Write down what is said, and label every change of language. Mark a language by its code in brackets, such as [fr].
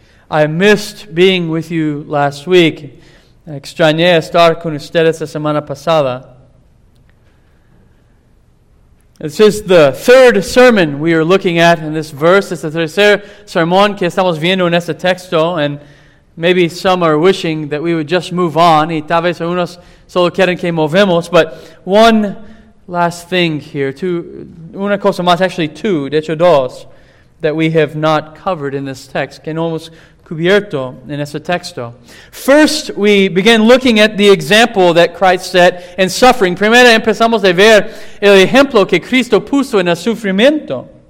[en] I missed being with you last week. [es] Extrañé estar con ustedes la semana pasada. [en] This is the third sermon we are looking at in this verse. It's the [es] tercer sermón que estamos viendo en este texto. [en] And maybe some are wishing that we would just move on. [es] Y tal vez unos solo quieren que movemos. [en] But one last thing here. Dos. That we have not covered in this text. [es] Que no hemos cubierto en este texto. [en] First, we begin looking at the example that Christ set in suffering. [es] Primero empezamos a ver el ejemplo que Cristo puso en el sufrimiento.